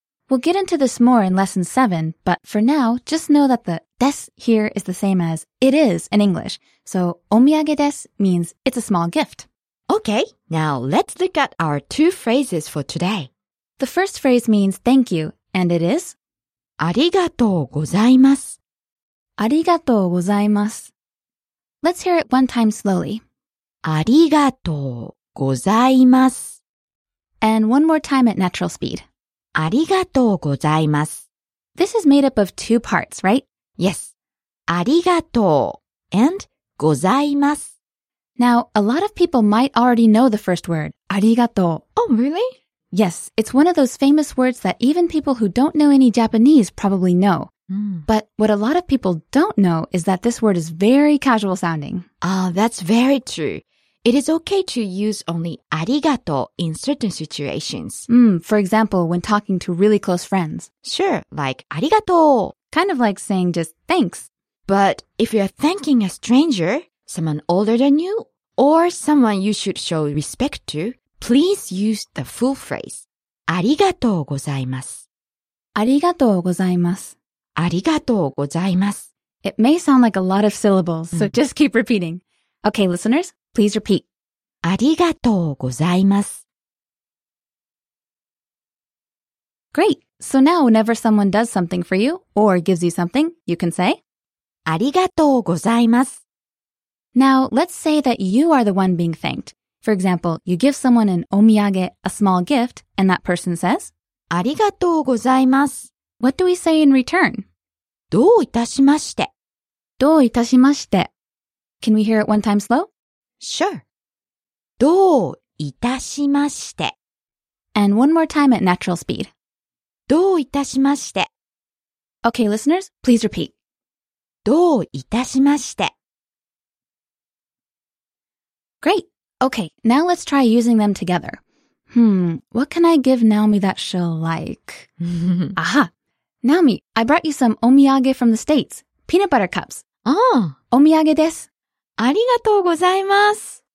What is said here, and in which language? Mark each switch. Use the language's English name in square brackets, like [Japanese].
[English] We'll get into this more in lesson 7, but for now, just know that the desu here is the same as it is in English. So, omiyage desu means it's a small gift. Okay, now let's look at our two phrases for today. The first phrase means thank you, and it is? [Japanese] ありがとうございます。ありがとうございます。 [English] Let's hear it one time slowly. [Japanese] ありがとうございます。 [English] And one more time at natural speed. [Japanese] ありがとうございます。 [English] This is made up of two parts, right? Yes. ありがとう and ございます。 Now, a lot of people might already know the first word, ありがとう。 Oh, really? Yes, it's one of those famous words that even people who don't know any Japanese probably know. But what a lot of people don't know is that this word is very casual sounding. Oh, that's very true. It is okay to use only arigato in certain situations. For example, when talking to really close friends. Sure, like arigato. Kind of like saying just thanks. But if you're thanking a stranger, someone older than you, or someone you should show respect to, please use the full phrase. Arigato gozaimasu. Arigato gozaimasu. Arigato gozaimasu. It may sound like a lot of syllables, so just keep repeating. Okay, listeners. Please repeat. [Japanese] ありがとうございます。 [English] Great! So now whenever someone does something for you, or gives you something, you can say, [Japanese] ありがとうございます。 [English] Now, let's say that you are the one being thanked. For example, you give someone an omiyage, a small gift, and that person says, [Japanese] ありがとうございます。 [English] What do we say in return? [Japanese] どういたしまして。どういたしまして。 [English] Can we hear it one time slow? Sure. [Japanese] どういたしまして。 [English] And one more time at natural speed. [Japanese] どういたしまして。 [English] Okay, listeners, please repeat. [Japanese] どういたしまして。 [English] Great. Okay, now let's try using them together. What can I give Naomi that she'll like? Aha! Naomi, I brought you some omiyage from the States. Peanut butter cups. [Japanese] ああ、お土産です。ありがとうございます。